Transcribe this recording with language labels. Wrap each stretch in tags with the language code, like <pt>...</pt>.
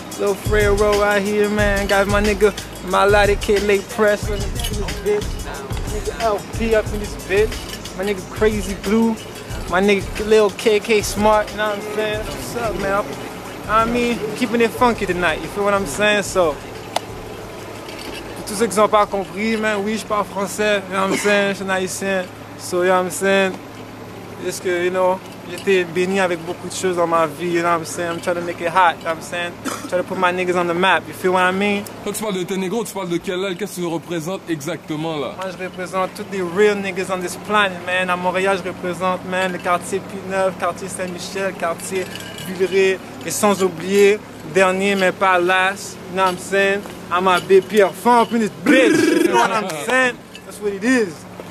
<en>Lil Fred Row out here, man. Got my nigga Malati Kid Late Press in this bitch. Nigga LP up in this bitch. My nigga Crazy Blue. My nigga Lil KK Smart, you know what I'm saying? What's up, man? I mean, keeping it funky tonight, you feel what I'm saying?</en> <fr>So, pour tous ceux qui n'ont pas compris, man, oui, je parle français,</fr> <en>you know what I'm saying?</en> <fr>Je suis haïtien,</fr> <en>so, you know what I'm saying?</en> <fr>Just que,</fr> <en>you know,</en> <fr>j'étais béni avec beaucoup de choses dans ma vie,</fr> <en>you know what I'm saying? I'm trying to make it hot, you know what I'm saying? Try to put my niggas on the map, you feel what I mean?</en> <fr>Toi, tu parles de tes négros, tu parles de quel âge? Qu'est-ce que tu représentes exactement là? Moi, je représente tous les</fr> <en>real niggas on this planet, man.</en> <fr>À Montréal, je représente, man, le quartier P9, quartier Saint-Michel, quartier. Et sans oublier, dernier mais pas</fr> <en>last, you know what I'm saying? I'm a big Pierre Fomp in this bitch, you know what I'm saying? That's what it is.</en>